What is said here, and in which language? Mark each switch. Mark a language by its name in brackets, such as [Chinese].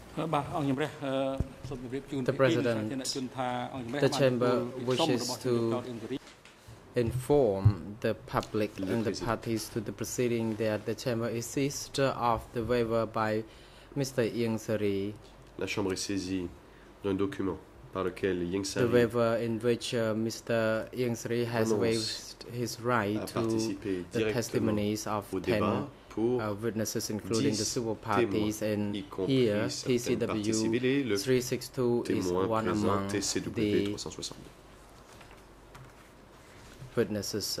[English] The President, the Chamber wishes to inform the public and the parties to the proceeding that the Chamber is seized of the waiver by Mr. Yeng Seri. [French] La Chambre est saisie d'un document par lequel Yeng Seri [English] the waiver in which Mr. Yeng Seri has waived his right to the testimonies of 10 witnesses, including the civil parties, and here TCW 362 is one among the witnesses.